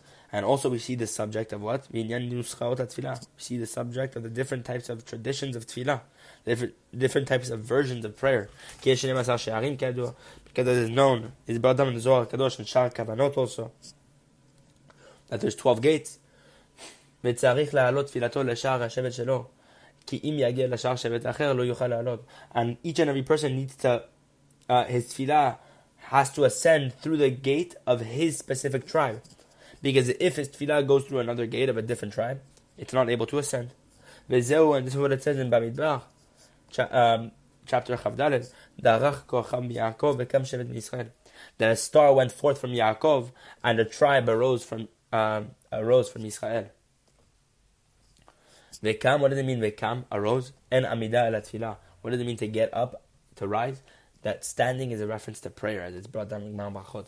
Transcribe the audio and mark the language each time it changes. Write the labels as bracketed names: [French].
[English] And also we see the subject of what? We see the subject of the different types of traditions of tefillah, different types of versions of prayer. Because it is known, it's brought down in the Zohar Kadosh and Shar Kavanot also, that there's 12 gates. [Hebrew] וצריך להעלות תפילתו לשער השבט שלו, כי אם יגיע לשער שבט אחר, לא יוכל להעלות. [English] And each and every person needs to, his tefillah has to ascend through the gate of his specific tribe. Because if his tefillah goes through another gate of a different tribe, it's not able to ascend. וזהו, and this is what it says in במדבר, chapter Chavdalet, [Hebrew] דרך כוחם יעקב וקם שבט מישראל. [English] That a star went forth from Yaakov, and a tribe arose from Israel. Vekam, what does it mean? Vekam, arose, and amida el atfila. What does it mean to get up, to rise? That standing is a reference to prayer, as it's brought down in Gemara Brachot.